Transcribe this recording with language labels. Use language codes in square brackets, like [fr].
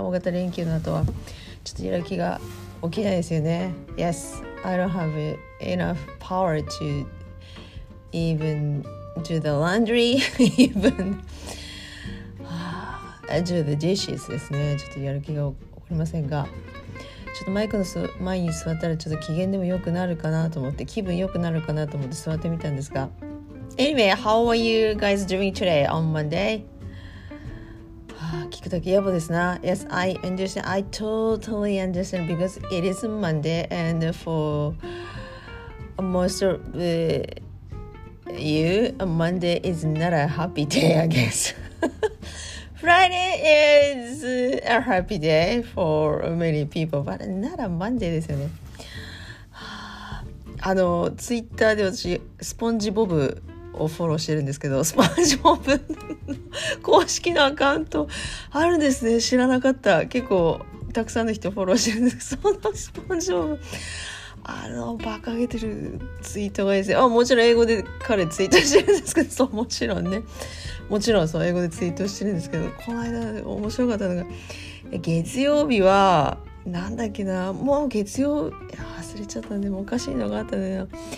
[ja] 大型連休の後はちょっとやる気が起きないですよね。 [en] Yes, I don't have enough power to even do the laundry, even do the dishes [ja] ですね。ちょっとやる気が起こりませんが、ちょっとマイクの前に座ったらちょっと機嫌でも良くなるかなと思って、気分良くなるかなと思って座ってみたんですが、 [en] Anyway, how are you guys doing today on Monday? [ja] 聞くだけやぼですな。 [en] Yes, I understand. I totally understand because it is Monday and for most of you, Monday is not a happy day, I guess. Friday is a happy day for many people, but not a Monday [ja] ですよね。あの、Twitter で私、スポンジボブをフォローしてるんですけど、スポンジボブの公式のアカウントあるんですね。知らなかった。結構たくさんの人フォローしてるんです。そのスポンジボブ、あのバカげてるツイートがですね、あ、もちろん英語で彼ツイートしてるんですけど、そう、もちろんね、もちろんそう英語でツイートしてるんですけど、この間面白かったのが、月曜日はなんだっけな、もう月曜忘れちゃったんで、もうおかしいのがあったんだよ。